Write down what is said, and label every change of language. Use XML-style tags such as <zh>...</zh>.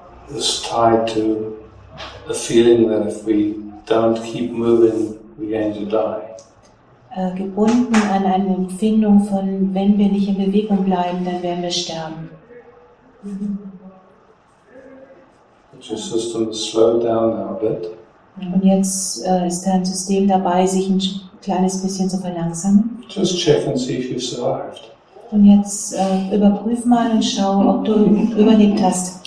<en>It's tied to a feeling that if we don't keep moving, we're going to die.</en> <de>Gebunden an eine Empfindung von, wenn wir nicht in Bewegung bleiben, dann werden wir sterben.</de> <en>But your system has slowed down now a bit.</en> <de>Und jetzt ist dein System dabei, sich ein kleines bisschen zu verlangsamen.</de> <en>Just check and see if you've survived.</en> <de>Und jetzt überprüf mal und schau, ob du überlebt hast.</de>